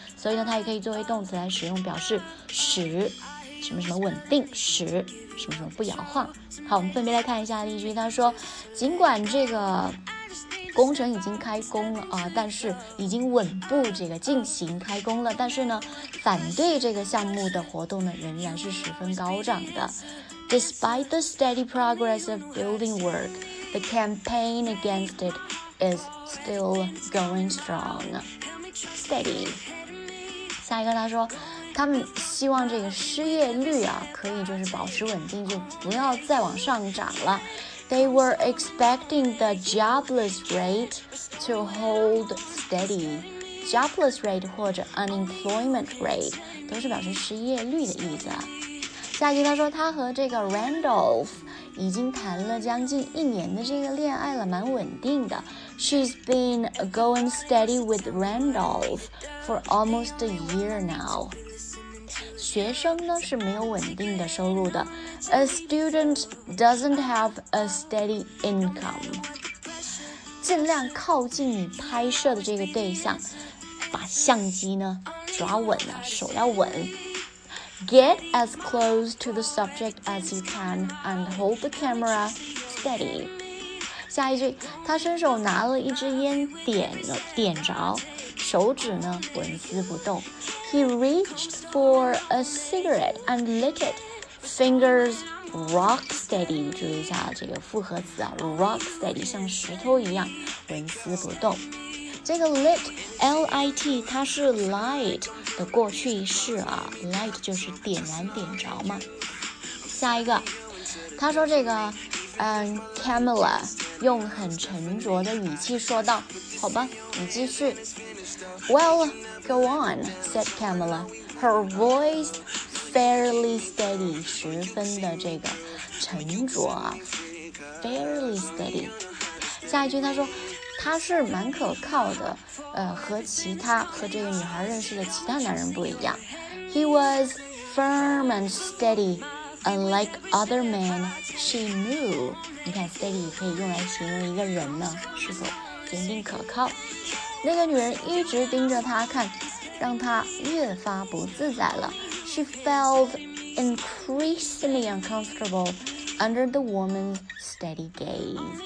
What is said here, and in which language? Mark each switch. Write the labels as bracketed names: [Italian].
[Chinese] 所以呢，它也可以作为动词来使用，表示使。什么什么稳定，使什么什么不摇晃。好，我们分别来看一下例句。他说，尽管这个工程已经开工了啊、但是已经稳步这个进行开工了，但是呢，反对这个项目的活动呢仍然是十分高涨的。 [English] Despite the steady progress of building work, the campaign against it is still going strong. [Chinese] Steady. 下一个他说。他们希望这个失业率啊可以就是保持稳定，就不要再往上涨了。 [English] They were expecting the jobless rate to hold steady. [Chinese] Jobless rate 或者 unemployment rate 都是表示失业率的意思。下一个他说，他和这个 Randolph 已经谈了将近一年的这个恋爱了，蛮稳定的。 [English] She's been going steady with Randolph for almost a year now. [Chinese] 学生呢是没有稳定的收入的。 [English] A student doesn't have a steady income. [Chinese] 尽量靠近你拍摄的这个对象，把相机呢抓稳了，手要稳。 [English] Get as close to the subject as you can and hold the camera steady. [Chinese] 下一句，他伸手拿了一支烟点着，手指呢纹丝不动。 [English] He reached for a cigarette and lit it, fingers [Chinese] rock steady， 注意一下这个复合词啊， rock steady 像石头一样纹丝不动。这个 lit L-I-T 它是 light 的过去式啊， light 就是点燃点着嘛。下一个他说这个Camilla 用很沉着的语气说道，好吧你继续。 [English] Well go on said Camilla， her voice fairly steady， [Chinese] 十分的这个沉着啊， [English] fairly steady。 [Chinese] 下一句他说他是蛮可靠的，和其他和这个女孩认识的其他男人不一样。 [English] He was firm and steadyUnlike other men, she knew. [Chinese] 你看 steady 可以用来形容一个人呢，是否坚定可靠。那个女人一直盯着她看，让她越发不自在了。 [English] She felt increasingly uncomfortable under the woman's steady gaze.